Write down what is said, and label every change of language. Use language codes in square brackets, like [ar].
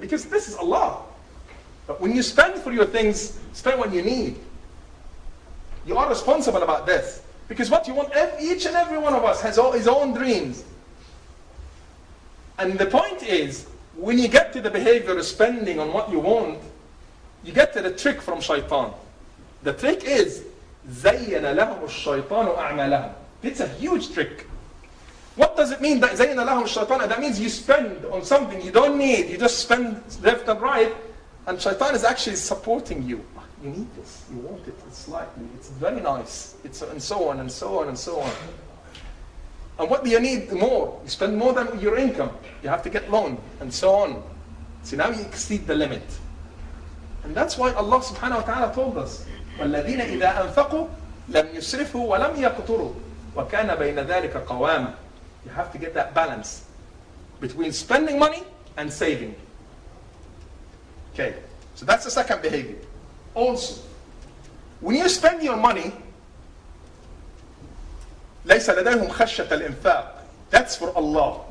[en] Because this is Allah. But when you spend for your things, spend what you need. You are responsible about this. Because what you want, each and every one of us has all his own dreams. And the point is, when you get to the behavior of spending on what you want, you get to the trick from shaitan. The trick is, [ar] زَيَّنَ لَهُمُ الشَّيْطَانُ أَعْمَلَهُمْ. [en] It's a huge trick. What does it mean, that [ar] زَيَّنَ لَهُمُ الشَّيْطَانُ? [en] That means you spend on something you don't need. You just spend left and right. And shaitan is actually supporting you. You need this, you want it, it's slightly, it's very nice, it's and so on, and so on, and so on. And what do you need more? You spend more than your income, you have to get loan, and so on. See, now you exceed the limit. And that's why Allah subhanahu wa ta'ala told us, [ar] وَالَّذِينَ إِذَا أَنْفَقُوا لَمْ يُسْرِفُوا وَلَمْ يَقْتُرُوا وَكَانَ بَيْنَ ذَلِكَ قَوَامًا. [en] You have to get that balance between spending money and saving. Okay, so that's the second behavior. Also, when you spend your money, [ar] لَيْسَ لَدَيْهُمْ خَشَّةَ الْإِنْفَاقِ. [en] That's for Allah.